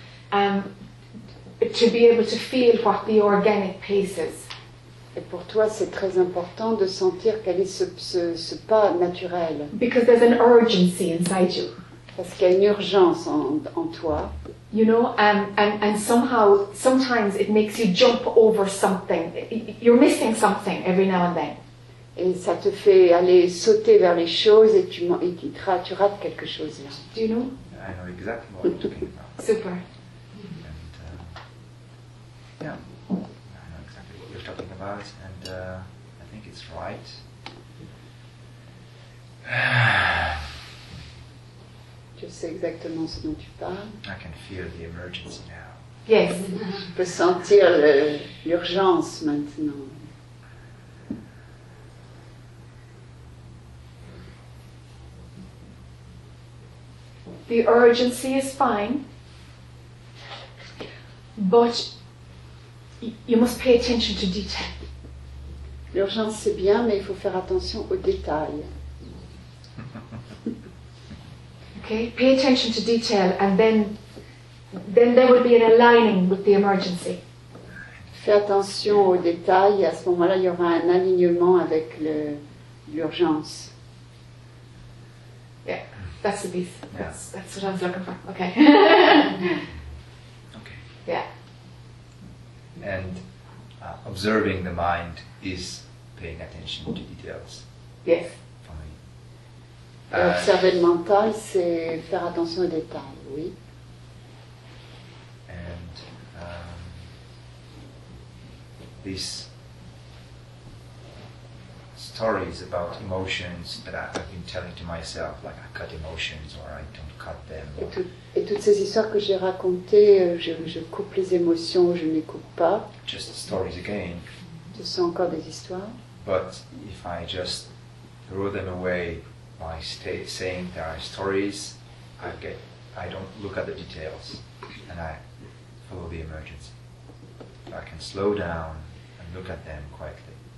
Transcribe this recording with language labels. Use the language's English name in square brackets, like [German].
[English] To be able to feel what the organic pace is. [French] Et pour toi, c'est très important de sentir quel est ce pas naturel. [English] Because there's an urgency inside you. [French] Parce qu'il y a une urgence en toi. [English] You know, and somehow, sometimes it makes you jump over something. You're missing something every now and then. [French] Et ça te fait aller sauter vers les choses et tu rates quelque chose là. [English] Do you know? I know exactly what you're talking about. Super. And, I know exactly what you're talking about, and I think it's right. [French] Je sais exactement ce dont tu parles. [English] I can feel the emergency now. Yes. [French] Je peux sentir l'urgence maintenant. [English] The urgency is fine, but you must pay attention to detail. [French] L'urgence, c'est bien, mais il faut faire attention aux détails. [English] Okay, pay attention to detail, and then there will be an aligning with the emergency. [French] Fais attention aux détails, et à ce moment-là, il y aura un alignement avec l'urgence. [English] Yeah, that's the piece. Yeah. That's what I was looking for. Okay. Okay. Yeah. And observing the mind is paying attention to details. Yes. [French] Observer le mental, c'est faire attention aux détails, oui. [English] And this stories about emotions that I've been telling to myself, like I cut emotions or I don't cut them. [French] Et toutes ces histoires que j'ai racontées, je coupe les émotions, je ne les coupe pas. [English] Just stories again. [French] Ce sont encore des histoires. [English] But if I just throw them away, by saying there are stories, I don't look at the details, and I follow the emergency. But I can slow down and look at them quietly.